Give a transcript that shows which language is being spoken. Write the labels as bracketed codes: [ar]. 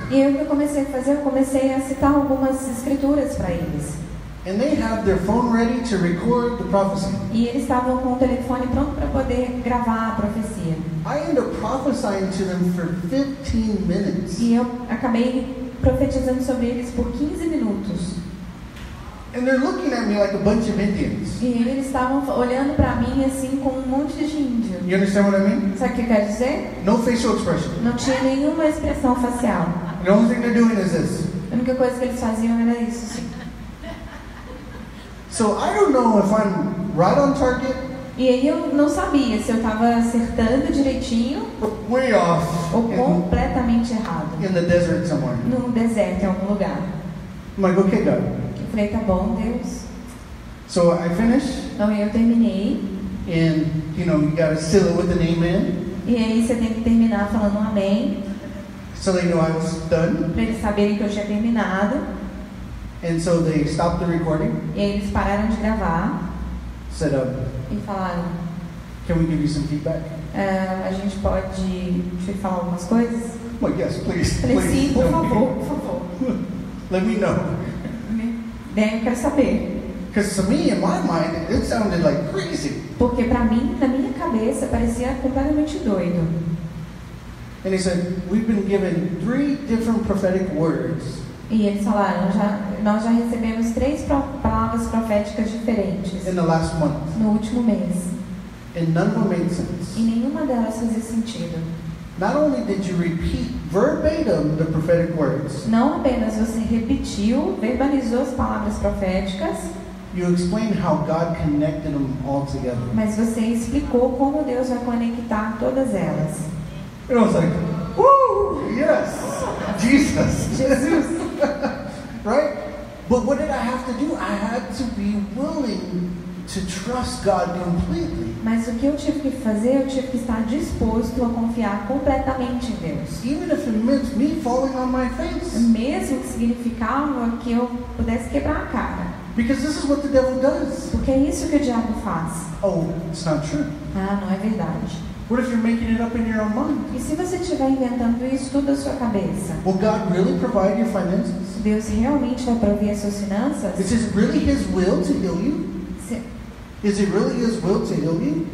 [pt] E o que eu comecei a fazer? Eu comecei a citar algumas escrituras para eles. [en] And they have their phone ready to record the prophecy. [pt] E eles estavam com o telefone pronto para poder gravar a profecia. [en] I ended up prophesying to them for 15 minutes. [pt] E eu acabei profetizando sobre eles por 15 minutos. [en] And they're looking at me like a bunch of Indians. [pt] E eles estavam olhando para mim assim como um monte de índio. [en] You understand what I mean? [pt] Sabe o que quer dizer? [en] No facial expression. [pt] Não tinha nenhuma expressão facial. [en] The only thing they're doing is this. [pt] A única coisa que eles faziam era isso. [en] So I don't know if I'm right on target. [pt] E aí eu não sabia se eu estava acertando direitinho. [en] Way off. [pt] Ou completamente errado. [en] In the desert somewhere. [pt] No deserto em algum lugar. [en] I'm like, okay, God. [pt] Eu falei, tá bom, Deus. [en] So I finish. [pt] Então eu terminei. [en] And you know, you gotta seal it with an amen. [pt] E aí você tem que terminar falando um amém. [en] So they know I was done. [pt] Para eles saberem que eu tinha terminado. [en] And so they stopped the recording. [pt] E eles pararam de gravar. [en] Set up. [pt] E falaram. [en] Can we give you some feedback? [pt] A gente pode te falar algumas coisas? [en] Well, yes, please. [pt] Falei, [en] please. [pt] Sim, por favor, por favor. [en] Let me know. [pt] Bem, eu quero saber. [en] Because to me, in my mind, it sounded like crazy. [pt] Porque para mim, na minha cabeça, parecia completamente doido. [en] And he said, we've been given 3 different prophetic words. [pt] E eles falaram, nós já recebemos 3 palavras proféticas diferentes. [en] In the last month. [pt] No último mês. [en] And none of them made sense. [pt] E nenhuma delas fazia sentido. [en] Not only did you repeat verbatim the prophetic words. [pt] Não apenas você repetiu, verbalizou as palavras proféticas. [en] You explained how God connected them all together. [pt] Mas você explicou como Deus vai conectar todas elas. [en] And I was like, woo, yes, Jesus. [pt] Jesus. [en] Right? But what did I have to do? I had to be willing to trust God completely. [pt] Mas o que eu tive que fazer? Eu tive que estar disposto a confiar completamente em Deus. [en] Even if it meant me falling on my face. [pt] Mesmo que significava que eu pudesse quebrar a cara. [en] Because this is what the devil does. [pt] Porque é isso que o diabo faz. [en] Oh, it's not true. [pt] Ah, não é verdade. [en] What if you're making it up in your own mind? [pt] E se você estiver inventando isso tudo na sua cabeça? [en] Will God really provide your finances? [pt] Deus realmente vai prover as suas finanças? [en] Is it really His will to heal you? Is it really His will to heal you?